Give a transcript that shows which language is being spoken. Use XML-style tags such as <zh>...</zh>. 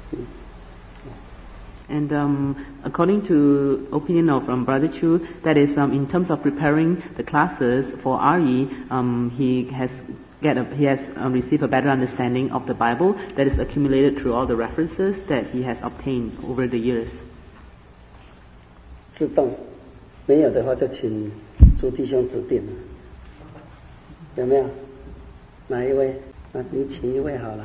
<zh>最大的收获，我想还是在对圣经的认识，因为每次要准备一个课的时候，都要去参考很多的资料。那么呢，同样那个时间的时候，你就会发现很多原来是你不知道的事情。那我想在这几年过来，对圣经的认识，我相信收获是最多的。</zh> <en>And According to opinion of Brother Chu, that is in terms of preparing the classes for RE, he has received a better understanding of the Bible that is accumulated through all the references that he has obtained over the years.</en> <zh>自动，没有的话就请诸弟兄指定。有没有？哪一位？那您请一位好了。</zh>